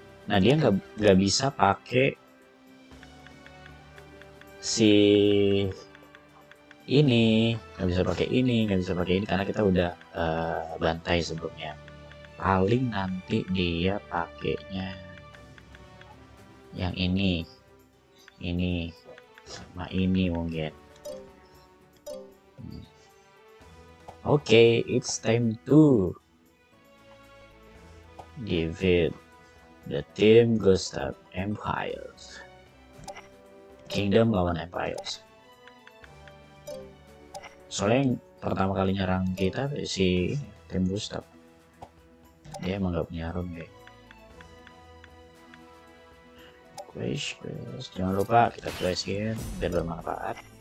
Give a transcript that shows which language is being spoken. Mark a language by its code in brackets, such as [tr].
[id] Nah, dia enggak bisa pakai si ini, nggak bisa pakai ini, nggak bisa pakai ini karena kita udah bantai sebelumnya. Paling nanti dia pakainya yang ini sama ini mungkin. [en] Okay, it's time to defeat the team Gustav Empires Kingdom lawan Empires. [id] Soalnya yang pertama kali nyerang kita si tim Gustav, dia emang gak punya room ya. Quest. Jangan lupa kita quest-in biar bermanfaat.